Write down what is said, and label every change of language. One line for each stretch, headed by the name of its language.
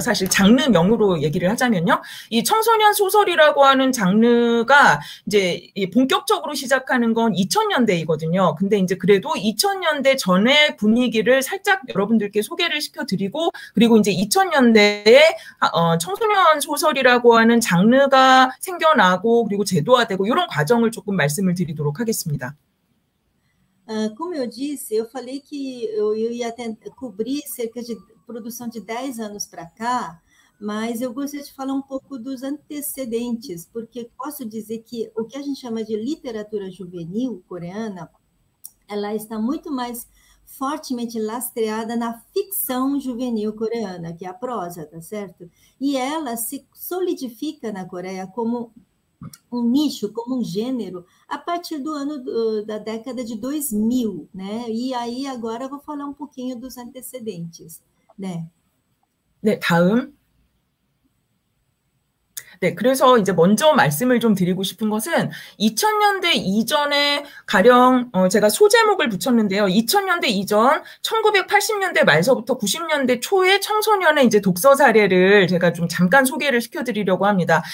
Korean: 사실 장르명으로 얘기를 하자면요. 이 청소년 소설이라고 하는 장르가 이제 본격적으로 시작하는 건 2000년대이거든요. 근데 이제 그래도 2000년대 전의 분위기를 살짝 여러분들께 소개를 시켜드리고, 그리고 이제 2000년대에 청소년 소설이라고 하는 장르가 생겨나고, 그리고 제도화되고, 이런 과정을 조금 말씀을 드리도록 하겠습니다.
Portuguese: Como eu disse, eu falei que eu ia cobrir cerca de produção de 10 anos para cá, mas eu gostaria de falar um pouco dos antecedentes, porque posso dizer que o que a gente chama de literatura juvenil coreana, ela está muito mais fortemente lastreada na ficção juvenil coreana, que é a prosa, tá certo? E ela se solidifica na Coreia como um nicho, como um gênero, a partir do ano da década de 2000, né? E aí agora eu vou falar um pouquinho dos antecedentes, né?
Korean: 네, 다음. 네, 그래서 이제 먼저 말씀을 좀 드리고 싶은 것은 2000년대 이전에 가령 제가 소제목을 붙였는데요. 2000년대 이전 1980년대 말서부터 90년대 초의 청소년의 이제 독서 사례를 제가 좀 잠깐 소개를 시켜드리려고 합니다.